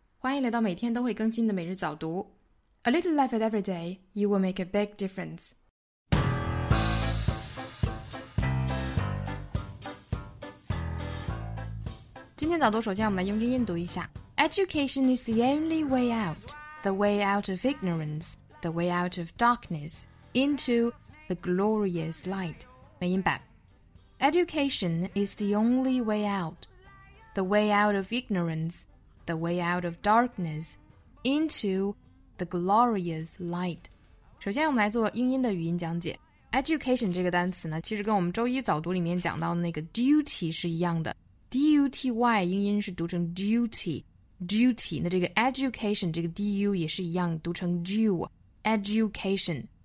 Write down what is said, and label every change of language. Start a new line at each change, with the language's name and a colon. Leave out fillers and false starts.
Chinese: 欢迎来到每天都会更新的每日早读。
English: A little life at every day, you will make a big difference.
Chinese: 今天早读首先我们来用英音读一下。
English: Education is the only way out, the way out of ignorance, the way out of darkness, into the glorious light.
Chinese: 美音版。
English: Education is the only way out. The way out of ignorance, the way out of darkness, into the glorious light.
Chinese: 首先我们来做英音的语音讲解。 Education 这个单词呢，其实跟我们周一早读里面讲到的那个 duty 是一样的。 D-U-T-Y 英音是读成 duty, duty. 那这个 education 这个 D-U 也是一样，读成 due, education.